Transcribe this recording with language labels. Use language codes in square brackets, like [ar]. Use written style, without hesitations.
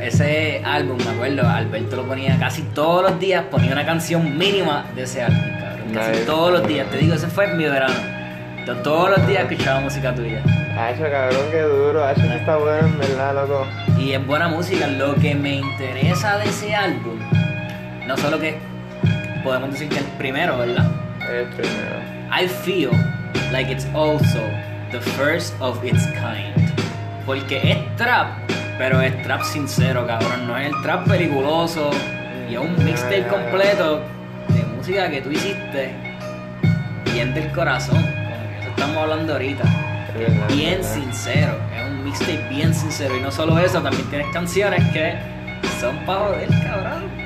[es] Ese álbum, me acuerdo, Alberto lo ponía casi todos los días, ponía una canción mínima de ese álbum, cabrón. Casi todos los días, te digo, ese fue mi verano. Entonces, todos los días escuchaba música tuya. Hacho, cabrón, qué duro, Hacho, que está bueno, en verdad, loco. Y es buena música, lo que me interesa de ese álbum, no solo que... Podemos decir que el primero, ¿verdad? El primero. [en] I feel like it's also the first of its kind. [es] Porque es trap, pero es trap sincero, cabrón. No es el trap peliculoso. Y es un mixtape completo de música que tú hiciste bien del corazón. Como que eso estamos hablando ahorita. Sincero. Es un mixtape bien sincero. Y no solo eso, también tienes canciones que son pa' joder, cabrón.